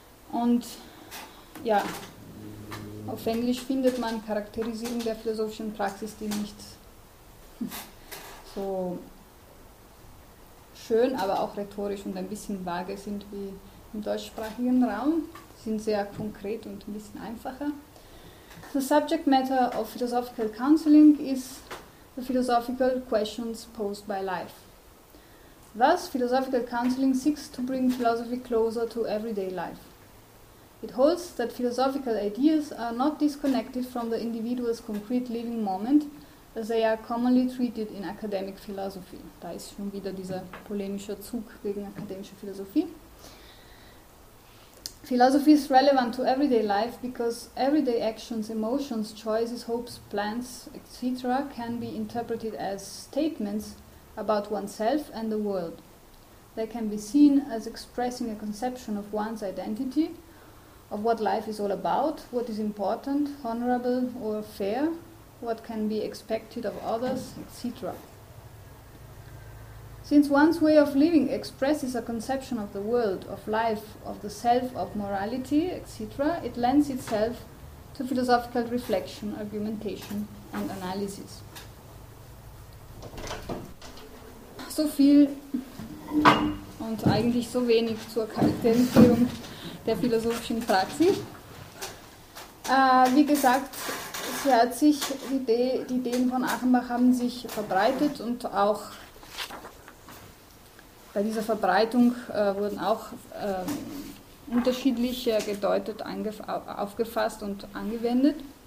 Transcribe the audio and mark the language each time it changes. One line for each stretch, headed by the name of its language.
German: Und ja, auf Englisch findet man Charakterisierung der philosophischen Praxis, die nicht so schön, aber auch rhetorisch und ein bisschen vage sind wie im deutschsprachigen Raum. Sie sind sehr konkret und ein bisschen einfacher.
English: The subject matter of philosophical counseling is the philosophical questions posed by life. Thus, philosophical counseling seeks to bring philosophy closer to everyday life. It holds that philosophical ideas are not disconnected from the individual's concrete living moment, as they are commonly treated in academic philosophy.
German: Da ist schon wieder dieser polemische Zug gegen akademische Philosophie.
English: Philosophy is relevant to everyday life because everyday actions, emotions, choices, hopes, plans, etc. can be interpreted as statements about oneself and the world. They can be seen as expressing a conception of one's identity, of what life is all about, what is important, honorable or fair, what can be expected of others, etc. Since one's way of living expresses a conception of the world, of life, of the self, of morality, etc., it lends itself to philosophical reflection, argumentation and analysis.
German: So viel und eigentlich so wenig zur Charakterisierung der philosophischen Praxis. Wie gesagt, sie hat sich, die Ideen von Achenbach haben sich verbreitet und auch bei dieser Verbreitung wurden auch unterschiedliche gedeutet, aufgefasst und angewendet.